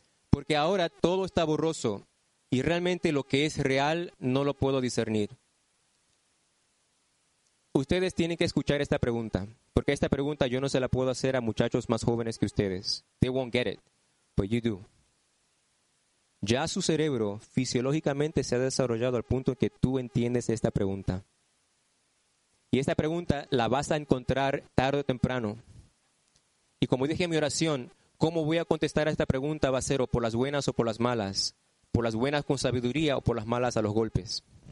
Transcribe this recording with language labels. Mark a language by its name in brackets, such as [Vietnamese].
[Spanish] Porque ahora todo está borroso y realmente lo que es real no lo puedo discernir. Ustedes tienen que escuchar esta pregunta, porque esta pregunta yo no se la puedo hacer a muchachos más jóvenes que ustedes. [English] They won't get it, but you do. [Spanish] Ya su cerebro fisiológicamente se ha desarrollado al punto en que tú entiendes esta pregunta. Y esta pregunta la vas a encontrar tarde o temprano. Y como dije en mi oración, ¿cómo voy a contestar a esta pregunta? Va a ser o por las buenas o por las malas, por las buenas con sabiduría o por las malas a los golpes.